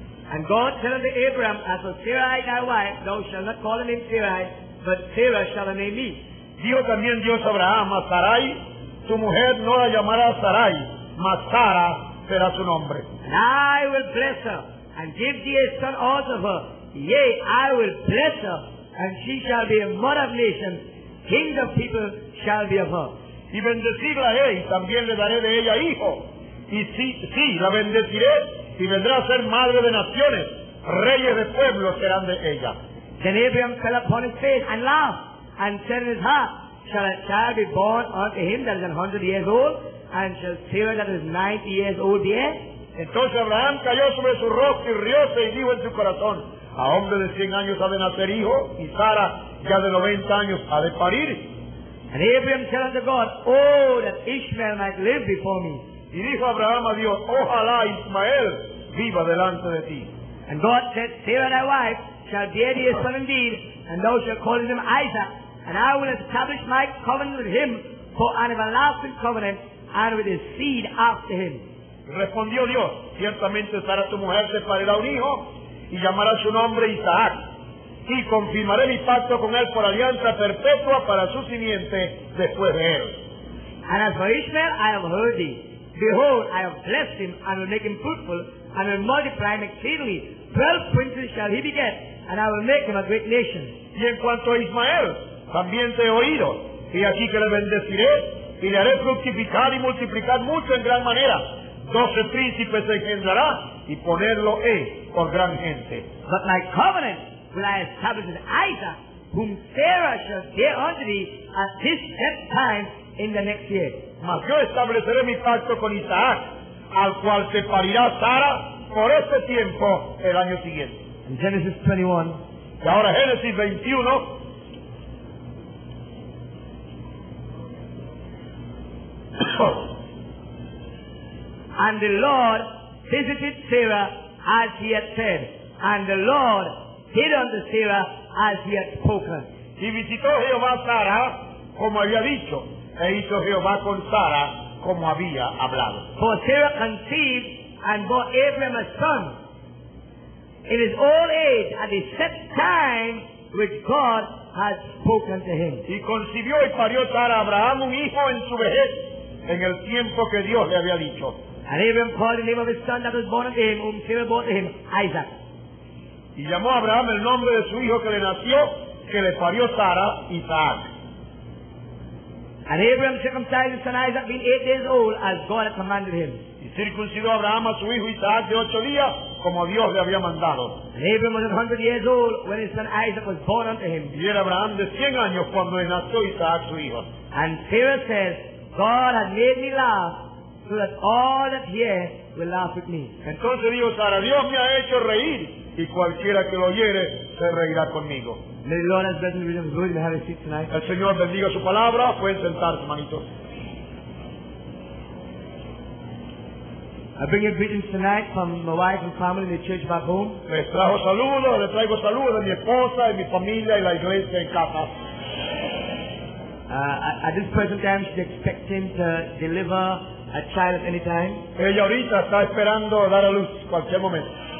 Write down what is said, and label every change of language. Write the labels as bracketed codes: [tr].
[en] And God said unto Abraham, as for Sarai thy wife, thou shalt not call her name Sarai, but Sarah shall her name be. [es] Dijo también Dios a Abraham, a Sarai, Tu mujer no la llamará Sarai, mas Sara será su nombre. [en] And I will bless her and give thee a son out of her. Yea, I will bless her, and she shall be a mother of nations. Kings of people shall be of her. [es] Y bendecirla he, y también le daré de ella hijo. Y sí, la bendeciré, y vendrá a ser madre de naciones. Reyes de pueblos serán de ella. [en] Then Abraham fell upon his face and laughed, and said in his heart, shall a child be born unto him that is 100 years old, and shall Sarah that is 90 years old be? [es] Entonces Abraham cayó sobre su rostro y rióse y dijo en su corazón, a hombre de 100 años ha de nacer hijo, y Sara ya de 90 años ha de parir. [en] And Abraham said unto God, oh, that Ishmael might live before me. [es] Y dijo Abraham a Dios, ojalá Ismael viva delante de ti. [en] And God said, Sarah thy wife shall bear thee a son indeed, and thou shalt call him Isaac, and I will establish my covenant with him for an everlasting covenant, and with his seed after him. [es] Respondió Dios, ciertamente Sara tu mujer te parirá un hijo, y llamará su nombre Isaac, y confirmaré mi pacto con él por alianza perpetua para su simiente después de él. [en] And as for Ishmael, I have heard thee. Behold, I have blessed him, and will make him fruitful, and will multiply him exceedingly. 12 princes shall he beget, and I will make him a great nation. [es] Y en cuanto a Ismael, también te he oído, y aquí que le bendeciré, y le haré fructificar y multiplicar mucho en gran manera. 12 príncipes engendrará, y ponerlo he por gran gente. [en] But my covenant will I establish with Isaac, whom Sarah shall bear unto thee at this set time in the next year. [es] Mas yo estableceré mi pacto con Isaac, al cual te parirá Sara por este tiempo el año siguiente. [en] In Genesis 21. [es] Y ahora Génesis 21. [en] And the Lord visited Sarah as he had said, and the Lord hid unto Sarah as he had spoken. [es] Y visitó Jehová a Sara como había dicho, e hizo Jehová con Sara como había hablado. [en] For Sarah conceived and bore Abraham a son in his old age at the set time which God had spoken to him. [es] Y concibió y parió Sara a Abraham un hijo en su vejez, en el tiempo que Dios le había dicho. [en] And Abraham called the name of his son that was born unto him, whom Sarah bore to him, Isaac. [es] Y llamó a Abraham el nombre de su hijo que le nació, que le parió Sara, Isaac. [en] And Abraham circumcised his son Isaac, being 8 days old, as God had commanded him. [es] Y circuncidó Abraham a su hijo Isaac de 8 días, como Dios le había mandado. [en] And Abraham was 100 years old when his son Isaac was born unto him. [es] Y era Abraham de 100 años cuando le nació Isaac su hijo. [en] And Sarah says, God has made me laugh, so that all that hear will laugh with me. [es] Entonces dijo Sara, Dios me ha hecho reír, y cualquiera que lo oyere se reirá conmigo. [en] May the Lord has blessed me with his word. Have a seat tonight. [es] El Señor bendiga su palabra. Pueden sentarse, manito. [en] I bring you greetings tonight from my wife and family in the church back home. [es] Le traigo saludos de mi esposa y mi familia y la iglesia en casa. [en] At this present time, she's expecting to deliver a child at any time. [es] Ella ahorita está esperando dar a luz cualquier momento.